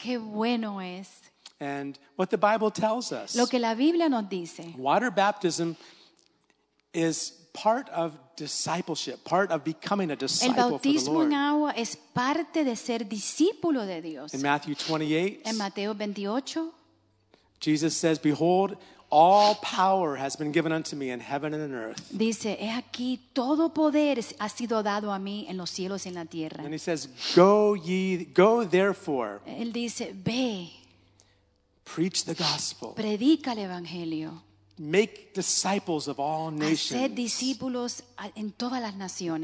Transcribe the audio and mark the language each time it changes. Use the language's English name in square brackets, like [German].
[Spanish] Qué bueno es. [English] And what the Bible tells us. [Spanish] Lo que la Biblia nos dice. [English] Water baptism is part of discipleship, part of becoming a disciple for the Lord. [Spanish] El bautismo en agua es parte de ser discípulo de Dios. [English] In Matthew 28, [Spanish] en Mateo 28, [English] Jesus says, "Behold, all power has been given unto me in heaven and in earth." [Spanish] Dice, "He aquí todo poder ha sido dado a mí en los cielos y en la tierra." [English] And he says, "Go ye, go therefore." [Spanish] Él dice, "Ve." [English] Preach the gospel. [Spanish] Predica el evangelio. [English] Make disciples of all nations. [Spanish] Hacer discípulos en todas las naciones.